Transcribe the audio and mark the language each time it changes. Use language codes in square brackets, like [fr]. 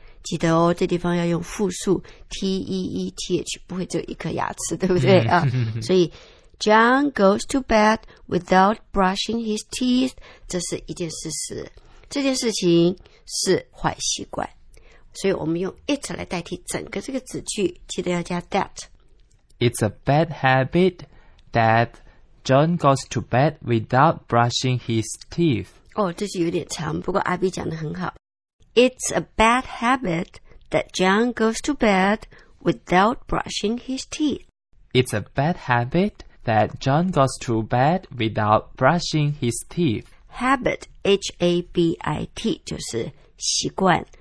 [zh] 记得哦，这地方要用复数 T-E-E-T-H， 不会只有一颗牙齿，对不对啊？所以 [en] John goes to bed without brushing his teeth. [zh] 这是一件事实，这件事情是坏习惯。所以我们用 it 来代替整个这个子句，记得要加 that. [en] It's a bad habit that John goes to bed without brushing his teeth. [zh] 哦，这句有点长，不过阿 B 讲得很好。 [en] It's a bad habit that John goes to bed without brushing his teeth. It's a bad habit that John goes to bed without brushing his teeth. [zh] Habit, H-A-B-I-T, 就是习惯。